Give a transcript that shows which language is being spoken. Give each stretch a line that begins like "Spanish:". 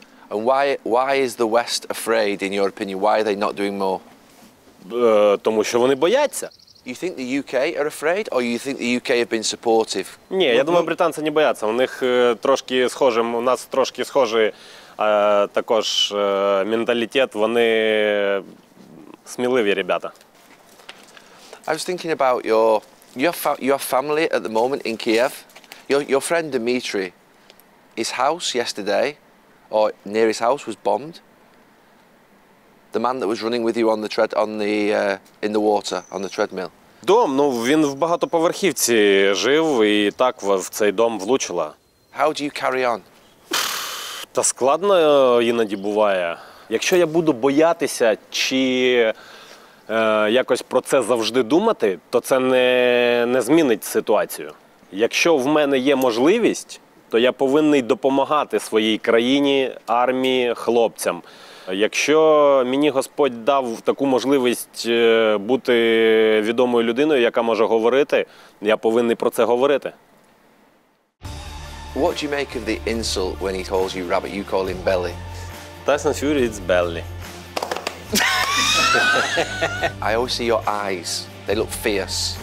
English: And why is the West afraid, in your opinion? Why are they not doing more?
Ukrainian: Тому що вони бояться.
English: You think the UK are afraid, or you think the UK have been supportive?
Ukrainian: Ні, я думаю, британці не бояться. У них трошки схоже, у нас трошки схожий також менталітет. Вони сміливі ребята.
English: I was thinking about your family at the moment in Kiev. Your friend Dmitry, his house yesterday, or near his house, was bombed. The man that was running with you on the tread on the in the water on the treadmill.
Ukrainian: Дом, він в багатоповерхівці жив, і так в цей дом влучило.
English: How do you carry on?
Ukrainian: Та складно іноді буває. Якщо я буду боятися чи якось про це завжди думати, то це не змінить ситуацію. Якщо в мене є можливість, то я повинен допомагати своїй країні, армії, хлопцям. Якщо мені Господь дав таку можливість бути відомою людиною, яка може говорити, я повинен про це говорити.
English: What do you make of the insult when he calls you rabbit? You call him belly. Tyson Fury, it's belly. I always see your eyes. They look fierce.